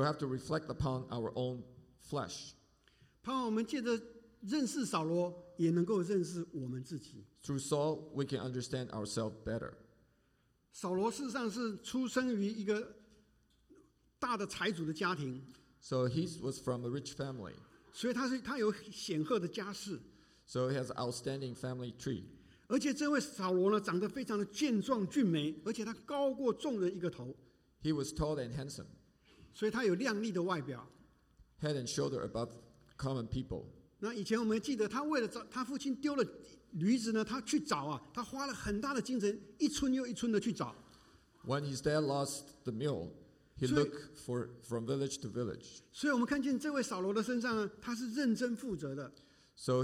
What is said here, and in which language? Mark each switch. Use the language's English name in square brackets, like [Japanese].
[English] we have to reflect upon our own flesh. [Chinese] 盼望我们借着认识扫罗，也能够认识我们自己。 [English] Through Saul, we can understand ourselves better. [Chinese] 扫罗事实上是出生于一个大的财主的家庭。 [English] So he was from a rich family. [Chinese] 所以他有显赫的家世。 [English] So he has outstanding family tree. [Chinese] 而且这位扫罗呢，长得非常的健壮俊美，而且他高过众人一个头。 [English] He was tall and handsome. [Chinese] 所以他有亮丽的外表。 [English] Head and shoulder above common people. [Chinese] 那以前我们记得他为了找他父亲丢了驴子呢，他去找啊，他花了很大的精神，一村又一村的去找。 [English] When his dad lost the mule, he looked for from village to village. [Chinese] 所以我们看见这位扫罗的身上呢，他是认真负责的。So